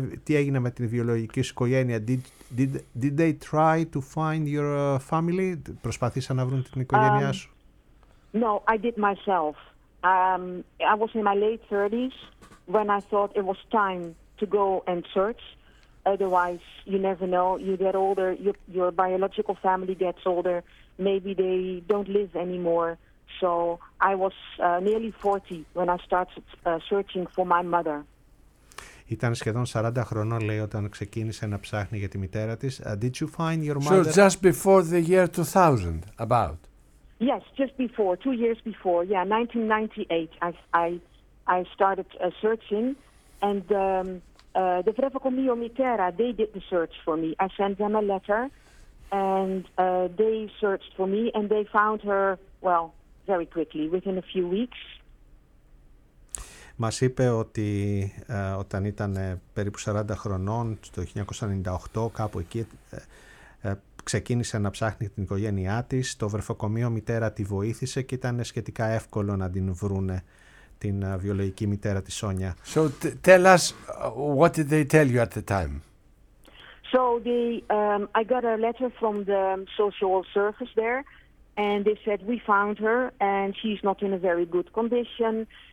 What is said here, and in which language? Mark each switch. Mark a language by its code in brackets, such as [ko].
[el] Τι έγινε με την βιολογική σου οικογένεια? [en] Did they try to find your family? [el] Προσπαθήσαν να βρουν την οικογένειά σου? [en] No, I did myself. I was in my late 30s when I thought it was time to go and search. Otherwise, you never know. You get older, your biological family gets older. Maybe they don't live anymore. So I was nearly 40 when I started searching for my mother. [el] Ήταν σχεδόν 40 χρονών, λέει, όταν ξεκίνησε να ψάχνει για τη μητέρα της. [en] Did you find your mother? So just before the year 2000, about? Yes, just before, 2 years before. Yeah, 1998, I started searching. And the Vrevokomio Mitera, they did the search for me. I sent them a letter, and they searched for me, and they found her, well, very quickly, within a few weeks. [el] Μας είπε ότι όταν ήταν περίπου 40 χρονών, το 1998, κάπου εκεί, ξεκίνησε να ψάχνει την οικογένειά της. Το βρεφοκομείο μητέρα τη βοήθησε και ήταν σχετικά εύκολο να την βρούνε, την βιολογική μητέρα της Σόνια. [en] So tell us, what did they tell you at the time? So I got a letter from the social service there, and they said, we found her, and she's not in a very good condition.